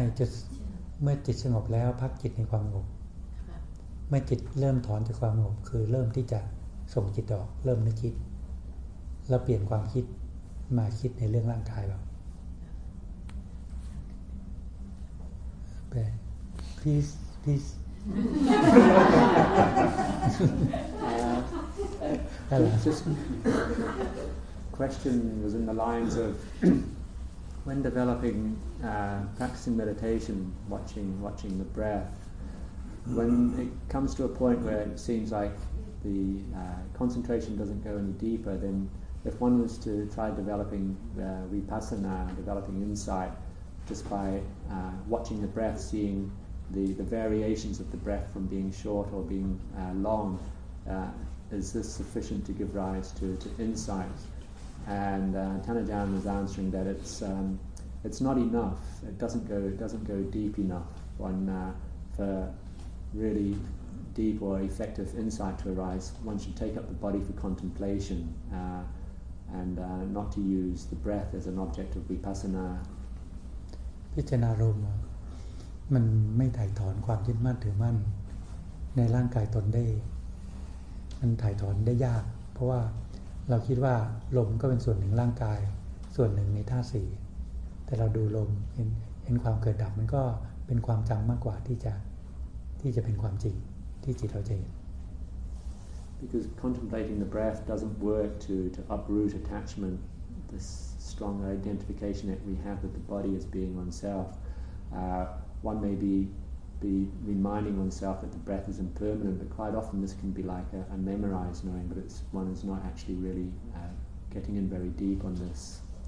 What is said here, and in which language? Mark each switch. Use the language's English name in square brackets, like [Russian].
[Thai] ไม่ใช่จุดเมื่อจิตสงบแล้วพักจิตในความสงบเมื่อจิตเริ่มถอนจากความสงบคือเริ่มที่จะส่งจิตออกเริ่มนึกคิดเราเปลี่ยนความคิดมาคิดในเรื่องร่างกายเราไปพีซ [English] just question was in the lines of when developing practicing meditation watching the breath when it comes to a point where it seems like the concentration doesn't go any deeper, then if one was to try developing vipassana, developing insight, just by watching the breath, seeing the variations of the breath from being short or being long, is this sufficient to give rise to insight? And Tanajan was answering that it's not enough. It doesn't go deep enough for really deep or effective insight to arise. One should take up the body for contemplation and not to use the breath as an object of vipassana. [Thai] พิจารณาลมมันไม่ถ่ายถอนความยึดมั่นถือมั่นในร่างกายตนได้มันถ่ายถอนได้ยากเพราะว่าเราคิดว่าลมก็เป็นส่วนหนึ่งร่างกายส่วนหนึ่งในธาตุสี่แต่เราดูลมเห็นความเกิดดับมันก็เป็นความจำมากกว่าที่จะเป็นความจริงที่จิตเราจะเห็น [English] because contemplating the breath doesn't work to uproot attachment this strong identification that we have with the body as being oneself one may be reminding oneself that the breath is impermanent but quite often this can be like a memorized knowing but it's one is not actually really getting in very deep on this